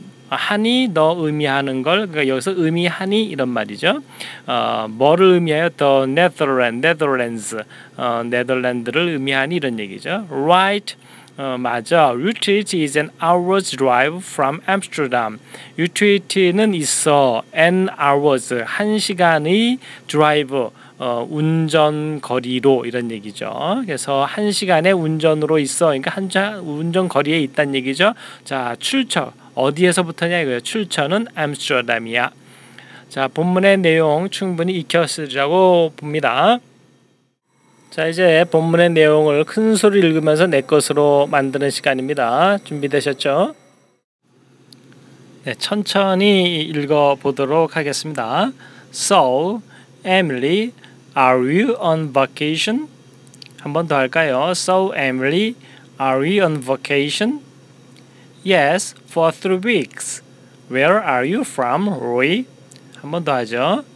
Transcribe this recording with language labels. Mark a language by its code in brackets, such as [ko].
[ko] 하니 너 의미하는 걸 그러니까 여기서 의미하니 이런 말이죠. 뭐를 의미해요? The Netherlands, Netherlands, 네덜란드를 의미하니 이런 얘기죠. [en] Right. [ko] 맞아. [en] Utrecht is an hour's drive from Amsterdam. [ko] Utrecht는 있어. An hour's, 한 시간의 drive, 운전 거리로 이런 얘기죠. 그래서 한 시간의 운전으로 있어. 그러니까 운전 거리에 있다는 얘기죠. 자, 출처. 어디에서부터냐 이거예요. 출처는 Amsterdam이야. 자, 본문의 내용 충분히 익혔으리라고 봅니다. 자 이제 본문의 내용을 큰 소리 읽으면서 내 것으로 만드는 시간입니다. 준비되셨죠? 네, 천천히 읽어보도록 하겠습니다. [en] So, Emily, are you on vacation? [ko] 한 번 더 할까요? [en] So, Emily, are you on vacation? Yes, for 3 weeks. Where are you from, Roy? [ko] 한 번 더 하죠.